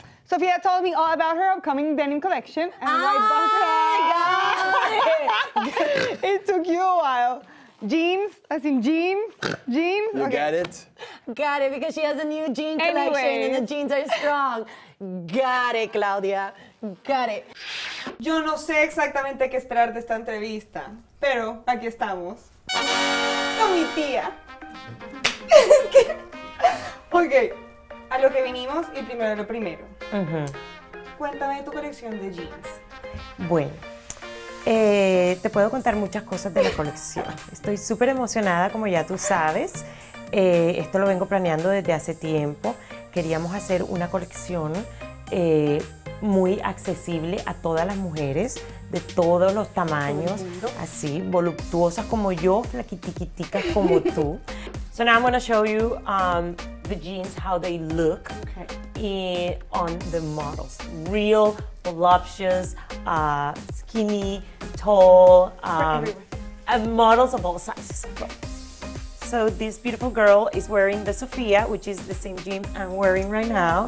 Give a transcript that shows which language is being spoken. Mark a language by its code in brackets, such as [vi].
[en] Sofia told me all about her upcoming denim collection. And right back to it took you a while. Jeans, I think jeans. You get it? Got it, because she has a new jean collection and the jeans are strong. Got it, Claudia. Got it. [es] Yo no sé exactamente qué esperar de esta entrevista, pero aquí estamos. Con mi tía. Ok, a lo que vinimos y primero lo primero. Cuéntame de tu colección de jeans. Bueno, te puedo contar muchas cosas de la colección. Estoy súper emocionada, como ya tú sabes. Esto lo vengo planeando desde hace tiempo. Queríamos hacer una colección muy accesible a todas las mujeres, de todos los tamaños, así, voluptuosas como yo, flaquitiquiticas como tú. [en] So now I'm going to show you the jeans, how they look on the models. Real, voluptuous, skinny, tall, and models of all sizes. So this beautiful girl is wearing the Sofia, which is the same jean I'm wearing right now.